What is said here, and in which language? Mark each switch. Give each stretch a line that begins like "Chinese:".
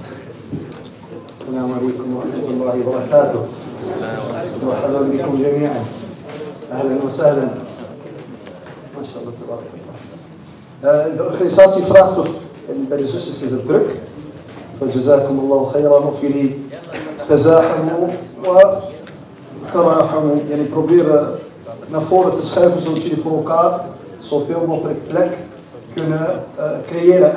Arabic: السلام عليكم ورحمة الله وبركاته. مرحبا بكم جميعا، أهلا وسهلا. ما شاء الله تبارك الله.
Dutch: De organisatie vraagt of bij de zusters is het druk.
Arabic: فجزاكم الله خيرا
Dutch: of jullie
Arabic: تزاحموا وتراحموا.
Dutch: يعني probeer naar voren te schuiven zodat jullie voor elkaar zoveel mogelijk plek kunnen creëren.